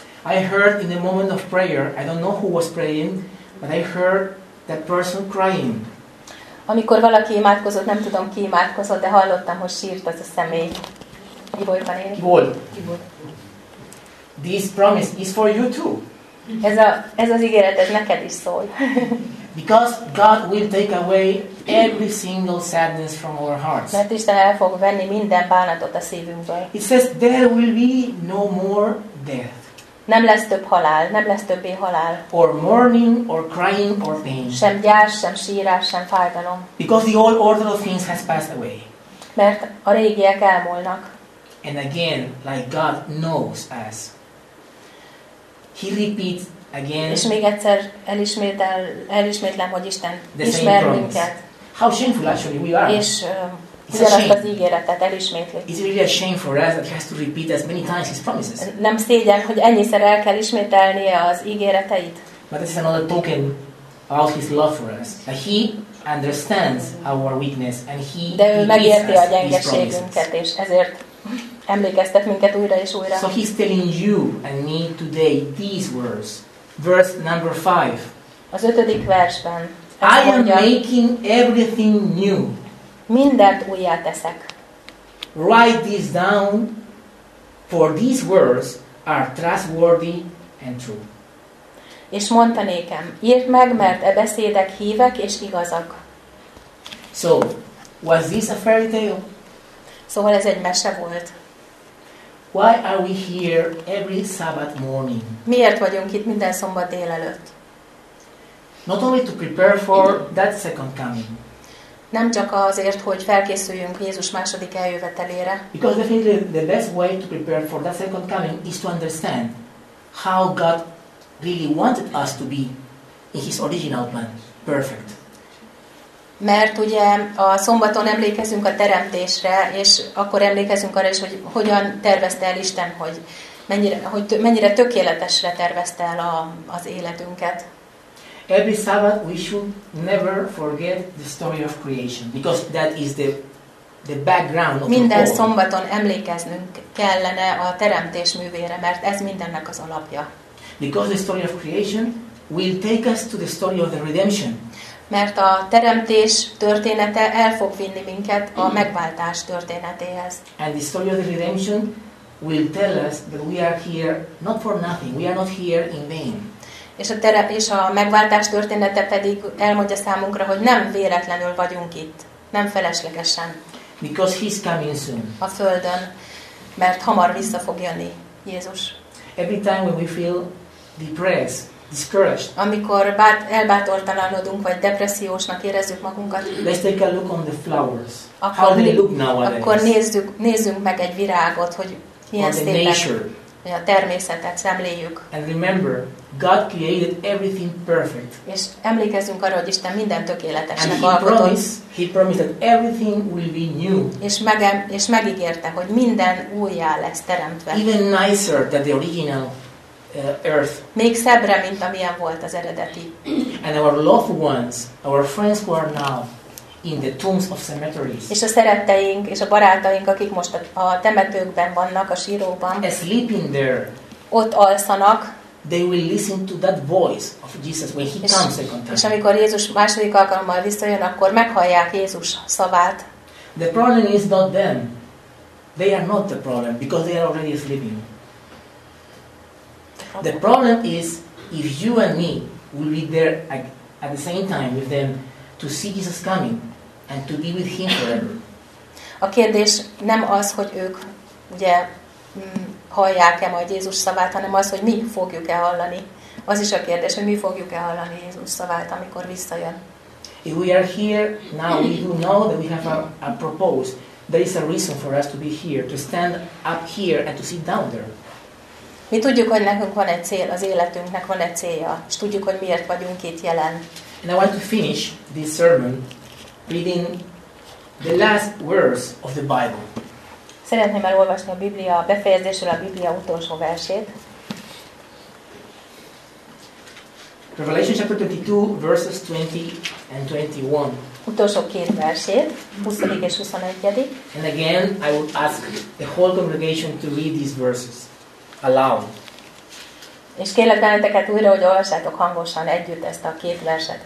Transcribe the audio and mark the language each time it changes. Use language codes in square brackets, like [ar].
[en] I heard in the moment of prayer, I don't know who was praying, but I heard that person crying. [hu] Amikor valaki imádkozott, nem tudom ki imádkozott, de hallottam, hogy sírt az a személy. Ki volt a név? [en] This promise is for you too. [hu] Ez az ígéret, ez neked is szól. [en] Because God will take away every single sadness from our hearts. [hu] Mert Isten el fog venni minden bánatot a szívünkből. [en] It says there will be no more death. [hu] Nem lesz több halál, nem lesz többé halál. [en] Or mourning, or crying, or pain. [hu] Sem gyász, sem sírás, sem fájdalom. [en] Because the old order of things has passed away. [hu] Mert a régiek elmúlnak. [en] And again, like God knows us. He repeats again. [hu] És még egyszer elismétlem, hogy Isten ismer minket. [en] How shameful actually we are. [hu] És ugyanazt az ígéretet elismétlik. [en] Is it really a shame for us that he has to repeat as many times his promises? [hu] Nem szégyen, hogy ennyiszer el kell ismételnie az ígéreteit? [en] But this is another token of his love for us. That he understands our weakness and he [hu] De ő megérti a gyengeségünket, és ezért emlékeztet minket újra és újra. [en] So he's telling you and me today these words. Verse number 5. [hu] Az ötödik versben. [en] I am making everything new. [hu] Mindent újjá teszek. [en] Write this down, for these words are trustworthy and true. [hu] És mondta nékem, írd meg, mert e beszédek hívek és igazak. [en] So, was this a fairy tale? [hu] Szóval ez egy mese volt. [en] Why are we here every Sabbath morning? [hu] Miért vagyunk itt minden szombat délelőtt? [en] Not only to prepare for that second coming. [hu] Nem csak azért, hogy felkészüljünk Jézus második eljövetelére. [en] Because definitely the best way to prepare for that second coming is to understand how God really wanted us to be in his original plan, perfect. [hu] Mert ugye a szombaton emlékezünk a teremtésre, és akkor emlékezünk arra is, hogy hogyan tervezte el Isten, hogy mennyire tökéletesre tervezte el az életünket. [en] Every Sabbath we should never forget the story of creation, because that is the background of [hu] minden [en] the [hu] szombaton emlékeznünk kellene a teremtés művére, mert ez mindennek az alapja. [en] Because the story of creation will take us to the story of the redemption. [hu] Mert a teremtés története el fog vinni minket a megváltás történetéhez. [en] And the story of the redemption will tell us that we are here not for nothing, we are not here in vain. [hu] És a megváltás története pedig elmondja számunkra, hogy nem véletlenül vagyunk itt. Nem feleslegesen. [en] Because he's coming soon. [hu] A földön. Mert hamar vissza fog jönni Jézus. [en] Every time when we feel depressed, discouraged. [hu] Amikor elbátortalanodunk, vagy depressziósnak érezzük magunkat. [en] Let's take a look on the flowers. How they look nowadays. [hu] Akkor nézzünk meg egy virágot, hogy milyen szépen. A természetet szemléljük. [en] And remember, God created everything perfect. [hu] És emlékezzünk arra, hogy Isten minden tökéletesnek alkotott. [en] And he promised that everything will be new. [hu] És megígérte, hogy minden újjá lesz teremtve. [en] Even nicer than the original earth. [hu] Még szebbre, mint amilyen volt az eredeti. [en] And our loved ones, our friends who are now in the tombs of cemeteries. [hu] És a szeretteink és a barátaink, akik most a temetőkben vannak, a síróban. [en] Sleeping there. [hu] Ott alszanak. [en] They will listen to that voice of Jesus when he comes second time. [hu] És amikor Jézus második alkalommal visszajön, akkor meghallják Jézus szavát. [en] The problem is not them. They are not the problem because they are already sleeping. The problem is if you and me will be there at the same time with them to see Jesus coming and to be with him forever. [hu] A kérdés nem az, hogy ők ugye hallják-e majd Jézus szavát, hanem az, hogy mi fogjuk-e hallani. Az is a kérdés, hogy mi fogjuk-e hallani Jézus szavát, amikor visszajön. [en] If we are here now, we do know that we have a purpose. There is a reason for us to be here, to stand up here and to sit down there. [hu] Mi tudjuk, hogy nekünk van egy cél, az életünknek van egy célja, és tudjuk, hogy miért vagyunk itt jelen. [en] And I want to finish this sermon reading the last words of the Bible. [hu] Szeretném elolvasni a Biblia befejezésről a Biblia utolsó versét. [en] Revelation chapter 22 verses 20 and 21. [hu] Utolsó két versét, 20. és 21. [en] And again, I would ask the whole congregation to read these verses aloud. [hu] És kérlek benneteket újra, hogy olvassátok hangosan együtt ezt a két verset.